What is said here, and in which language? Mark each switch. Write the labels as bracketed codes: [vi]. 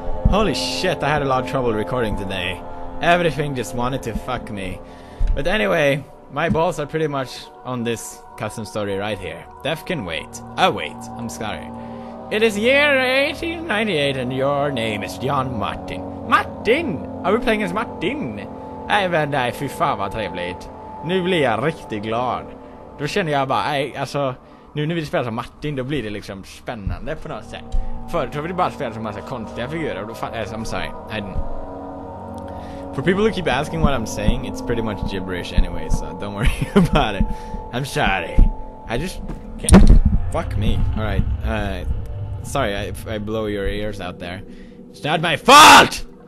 [en] Holy shit, I had a lot of trouble recording today. Everything just wanted to fuck me. But anyway, my balls are pretty much on this custom story right here. Death can wait. Oh wait, I'm sorry. It is year 1898 and your name is John Martin. Martin! Are we playing as Martin? [sv] Även dig, fy fan vad trevligt. Nu blir jag riktigt glad. Då känner jag bara, alltså... Nu när vi spelar som Martin, då blir det liksom spännande på något sätt. Förut har vi bara spelat som en massa konstiga figurer. [en] I'm sorry, I didn't. For people who keep asking what I'm saying, it's pretty much gibberish anyway, so don't worry about it. I'm sorry. I just can't. Fuck me. Alright. Sorry if I blow your ears out there. It's not my fault!